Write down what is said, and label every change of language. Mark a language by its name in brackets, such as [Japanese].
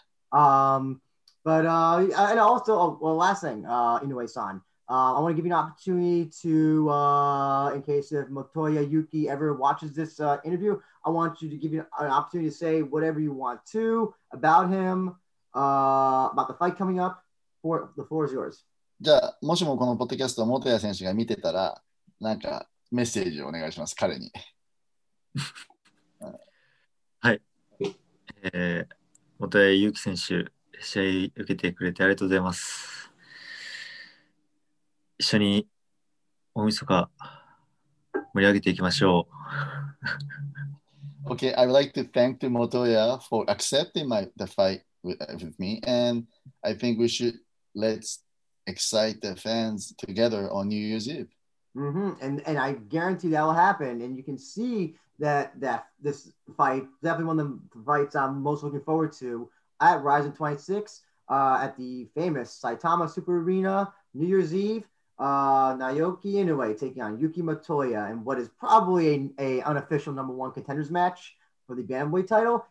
[English] And also, last thing, Inoue-san, I want to give you an opportunity to, in case if Motoya Yuki ever watches this interview, I want you to give you an opportunity to say whatever you want to about him, about the fight coming up. The floor is yours. [Japanese] じゃあ、もしもこのポッドキャストを Motoya 選手が見てたら、なんかメッセージをお願いします、彼に。はい。元谷祐希選手、試合受けてくれてありがとうございます。一緒に大晦日盛り上げていきましょう。 [English] Okay, I would like to thank the Motoya for accepting the fight with me, and I think we should let's excite the fans together on New Year's Eve. And I guarantee that will happen, and you can see that this fight, definitely one of the fights I'm most looking forward to at Ryzen 26 at the famous Saitama Super Arena, New Year's Eve, Naoki Inoue taking on Yuki Motoya and what is probably a unofficial number one contenders match for the Bantamweight title.